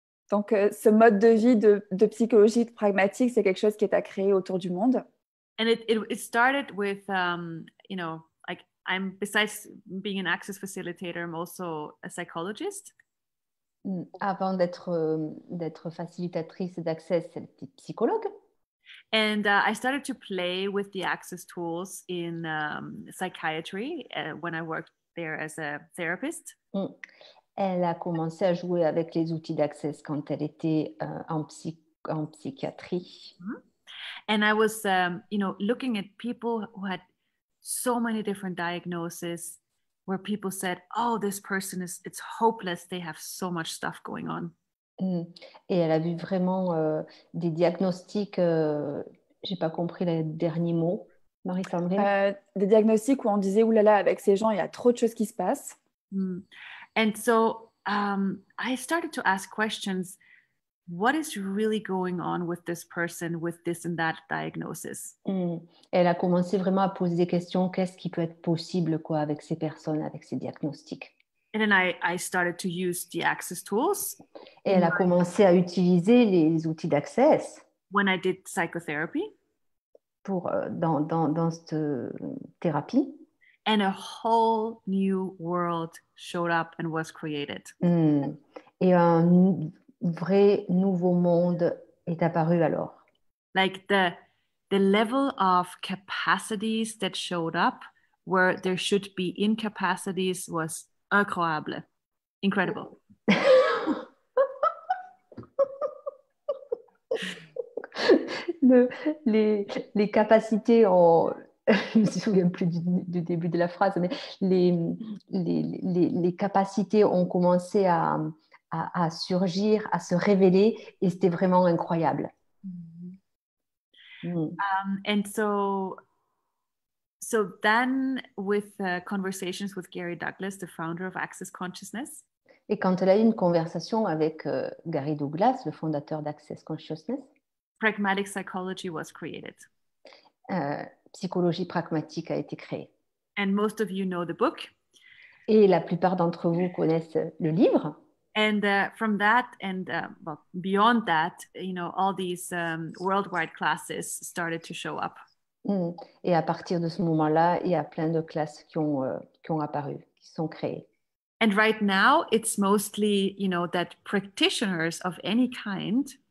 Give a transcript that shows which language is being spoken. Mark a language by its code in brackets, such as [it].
[fr] Donc ce mode de vie de psychologie de pragmatique, c'est quelque chose qui est à créer autour du monde. [en] And it started with you know, like I'm, besides being an access facilitator, I'm also a psychologist. [fr] Avant d'être facilitatrice d'accès, c'était psychologue. [en] And I started to play with the access tools in psychiatry when I worked there as a therapist. [fr] Elle a commencé à jouer avec les outils d'accès quand elle était en psychiatrie. [en] And I was, you know, looking at people who had so many different diagnoses, where people said, oh, this person is, it's hopeless, they have so much stuff going on. [fr] Et elle a vu vraiment des diagnostics, j'ai pas compris les derniers mots, Marie-Sandrine. Des diagnostics où on disait, oulala, avec ces gens, il y a trop de choses qui se passent. [en] And so I started to ask questions, what is really going on with this person with this and that diagnosis? [fr] Elle a commencé vraiment à poser des questions, qu'est-ce qui peut être possible quoi, avec ces personnes, avec ces diagnostics? [en] And then I started to use the access tools. [fr] Et elle a commencé à utiliser les outils d'accès. [en] When I did psychotherapy. [fr] Pour, dans cette thérapie. [en] And a whole new world showed up and was created. [fr] Et un vrai nouveau monde est apparu alors. [en] Like the level of capacities that showed up where there should be incapacities was incroyable. Incredible. [fr] Les capacités en... Je ne me souviens plus du début de la phrase, mais les capacités ont commencé à surgir, à se révéler, et c'était vraiment incroyable. [en] And so then with conversations with Gary Douglas, the founder of Access Consciousness. [fr] Et quand elle a eu une conversation avec Gary Douglas, le fondateur d'Access Consciousness. [en] Pragmatic psychology was created. [fr] Psychologie pragmatique a été créée. [en] And most of you know the book. [fr] Et la plupart d'entre vous connaissent le livre. [en] And from that and well, beyond that, you know, all these worldwide classes started to show up. [fr] Et à partir de ce moment-là, il y a plein de classes qui ont apparu, qui sont créées. [en] And right now, it's mostly, you know, that practitioners of any kind.